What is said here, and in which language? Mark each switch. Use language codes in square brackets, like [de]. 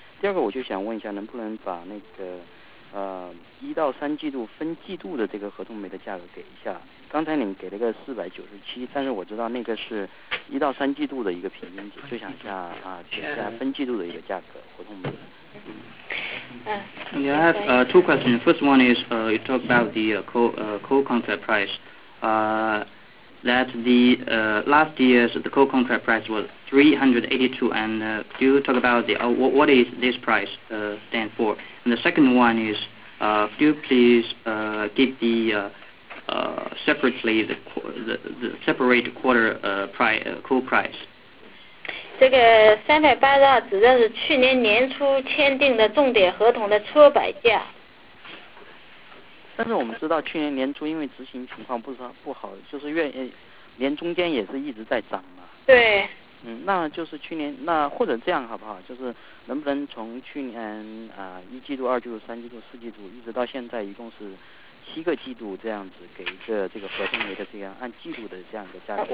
[zh] 第二个，我就想问一下，能不能把那个一到三季度分季度的这个合同煤的价格给一下？刚才您给了个497，但是我知道那个是一到三季度的一个平均值，就想一下给一下分季度的一个价格合同煤。 [en] You have two questions. First one is you talk about the coal contract price. That the last year's the coal contract price was 382, and do you talk about the what is this price stand for? And the second one is, do you please give the separately the separate quarter coal price? [zh] 这个382指的是去年年初签订的重点合同的车百价。但是我们知道去年年初因为执行情况不好，就是月年中间也是一直在涨嘛。对。那就是去年，那或者这样好不好？就是能不能从去年一季度、二季度、三季度、四季度，一直到现在，一共是七个季度这样子，给一个这个合同煤的这样按季度的这样一个价格？